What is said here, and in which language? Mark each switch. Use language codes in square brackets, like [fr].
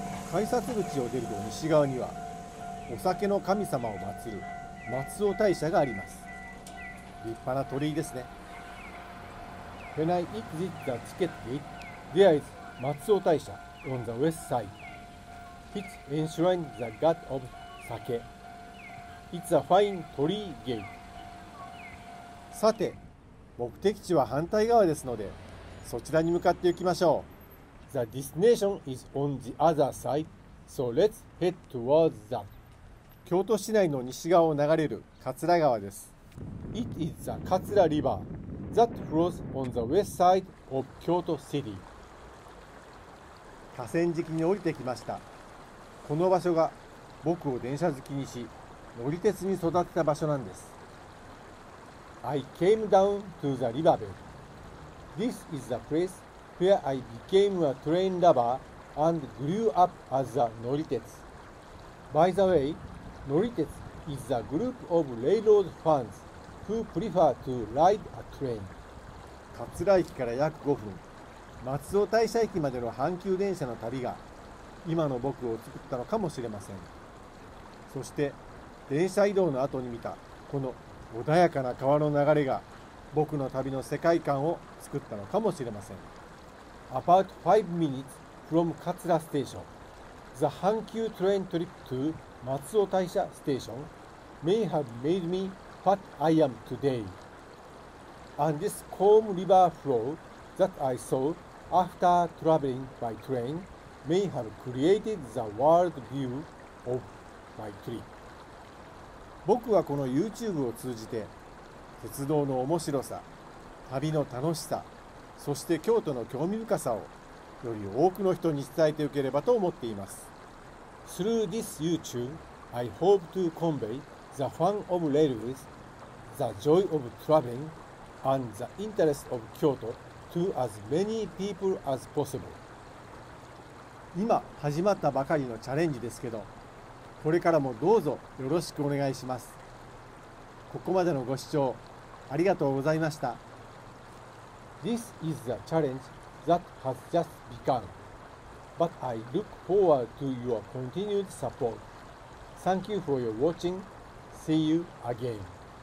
[ja] 改札口を出ると西側にはお酒の神様を祀る松尾大社があります。立派な鳥居ですね。 [en] When I exit the ticket gate, there is 松尾大社 on the west side, which enshrines the god of sake. It's a fine 鳥居 gate. [ja] さて、目的地は反対側ですので、そちらに向かって行きましょう。 [en] The destination is on the other side, so let's head towards that. [ja] 京都市内の西側を流れる桂川です。 [en] It is the Katsura River that flows on the west side of Kyoto City. [ja] 河川敷に降りてきました。この場所が僕を電車好きにし、乗り鉄に育てた場所なんです。 [en] I came down to the riverbed. This is the place. Where I became a train lover and grew up as a Noritetsu. By the way, Noritetsu is a group of railroad fans who prefer to ride a train. [ja] 桂駅から約5分、松尾大社駅までの阪急電車の旅が今の僕を作ったのかもしれません。そして電車移動の後に見たこの穏やかな川の流れが僕の旅の世界観を作ったのかもしれません。 [en] About 5 minutes from Katsura Station, the Hankyu train trip to Matsuo Taisha Station may have made me what I am today. And this calm river flow that I saw after traveling by train may have created the world view of my trip. [ja] 僕はこの YouTube を通じて、鉄道の面白さ、旅の楽しさ、そして京都の興味深さをより多くの人に伝えておければと思っています。 [en] Through this YouTube, I hope to convey the fun of railways, the joy of traveling, and the interest of Kyoto to as many people as possible. [ja] 今始まったばかりのチャレンジですけど、これからもどうぞよろしくお願いします。ここまでのご視聴ありがとうございました。 [en] This is a challenge that has just begun, but I look forward to your continued support. Thank you for your watching. See you again.